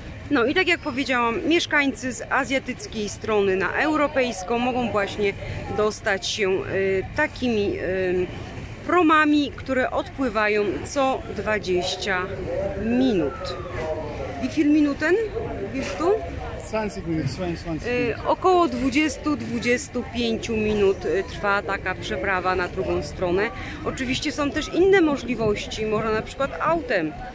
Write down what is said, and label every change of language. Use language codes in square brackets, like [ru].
[pl] No i tak jak powiedziałam, mieszkańcy z azjatyckiej strony na europejską mogą właśnie dostać się takimi promami, które odpływają co 20 minut. [de] Wie viel Minuten bist du? [pl] 20 minut. Około 20-25 minut trwa taka przeprawa na drugą stronę. Oczywiście są też inne możliwości, może na przykład autem.